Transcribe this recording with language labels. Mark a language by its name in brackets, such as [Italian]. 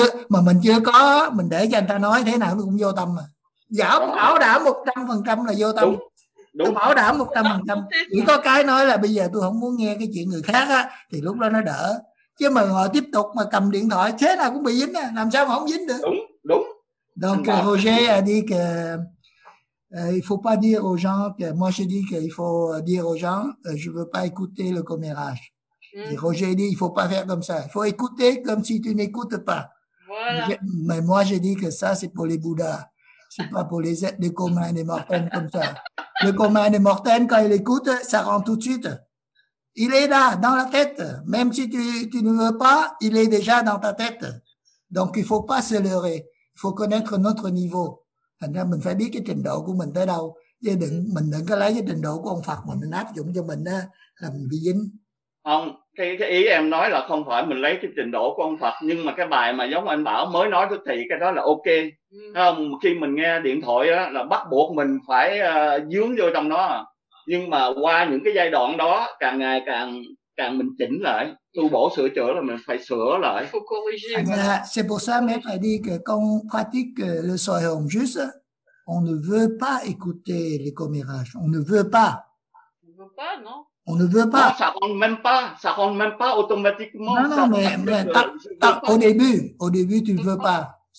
[Vietnamese] Mà mình chưa có, mình để cho anh ta nói thế nào nó cũng vô tâm mà. Giả bảo đảm 100% là vô tâm. Đúng. Đúng. Bảo đảm 100%. Chỉ có cái nói là bây giờ tôi không muốn nghe cái chuyện người khác á, thì lúc đó nó đỡ. Chứ mà ngồi tiếp tục mà cầm điện thoại thế nào cũng bị dính à, làm sao mà không dính được. Đúng, đúng. [French] Donc Roger a dit que il faut pas dire aux gens que moi je dis qu'il faut dire aux gens je veux pas écouter le commérage. Et Roger dit il faut pas faire comme ça, il faut écouter comme si tu n'écoutes pas. Voilà. Mais moi je dis que ça c'est pour les Bouddhas, c'est pas pour les êtres de commun et mortel comme ça. Le commun et mortel quand il écoute, ça rentre tout de suite. Il est là, dans la tête. Même si tu ne veux pas, il est déjà dans ta tête. Donc, il faut pas se leurrer. Il faut connaître notre niveau. [Vietnamese] Thành ra mình phải biết cái trình độ của mình tới đâu. Chứ đừng, mình đừng có lấy cái trình độ của ông Phật mà mình áp dụng cho mình á, là mình bị dính. Không, cái ý em nói là không phải mình lấy cái trình độ của ông Phật, nhưng mà cái bài mà giống anh Bảo mới nói thì cái đó là ok. Không, khi mình nghe điện thoại á, là bắt buộc mình phải dướng vô trong nó à. Nhưng mà qua những cái giai đoạn đó, càng ngày càng mình chỉnh lại, tu bổ sửa chữa là mình phải sửa lại. [French] C'est pour ça mais phải dire que quand on pratique le soi home juste, on ne veut pas écouter les commérages. On ne veut pas. On ne veut pas, non? On ne veut pas. Non, ça rentre même pas automatiquement. Non, mais au début, tu ne veux pas.